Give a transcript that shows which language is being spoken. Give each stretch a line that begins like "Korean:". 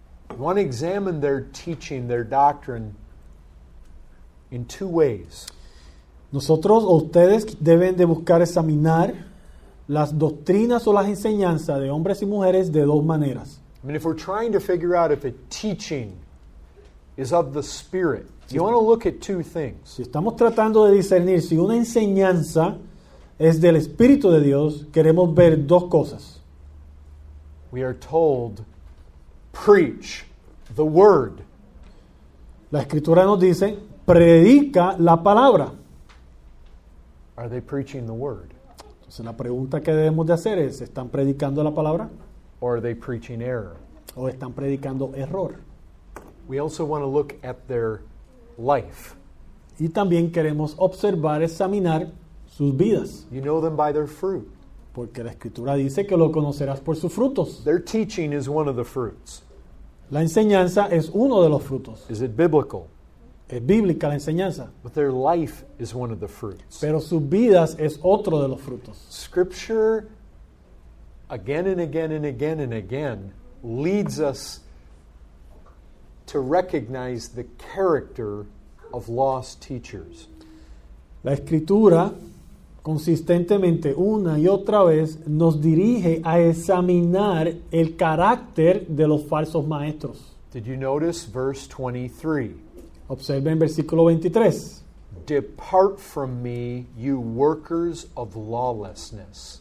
English: You want to examine their teaching, their doctrine in two ways.
Spanish: Nosotros, ustedes, deben de buscar examinar las doctrinas o las enseñanzas de hombres y mujeres de dos maneras.
English: I mean, if we're trying to figure out if a teaching is of the Spirit, you want to look at two things.
Spanish: Si estamos tratando de discernir si una enseñanza es del Espíritu de Dios, queremos ver dos cosas.
English: We are told, preach the word.
Spanish: La Escritura nos dice, predica la palabra.
English: Are they preaching the word?
Spanish: Entonces la pregunta que debemos de hacer es, ¿están predicando la palabra?
English: Or are they preaching error?
Spanish: O están predicando error.
English: We also want to look at their life.
Spanish: Y también queremos observar, examinar sus vidas.
English: You know them by their fruit.
Spanish: Porque la Escritura dice que lo conocerás por sus frutos.
English: Their teaching is one of the fruits.
Spanish: La enseñanza es uno de los frutos.
English: Is it biblical?
Spanish: Es bíblica la enseñanza.
English: But their life is one of the fruits.
Spanish: Pero sus vidas es otro de los frutos.
English: Scripture, again and again and again and again, leads us to recognize the character of lost teachers.
Spanish: La Escritura, consistentemente, una y otra vez, nos dirige a examinar el carácter de los falsos maestros.
English: Did you notice verse 23?
Spanish: Observen versículo 23.
English: Depart from me, you workers of lawlessness.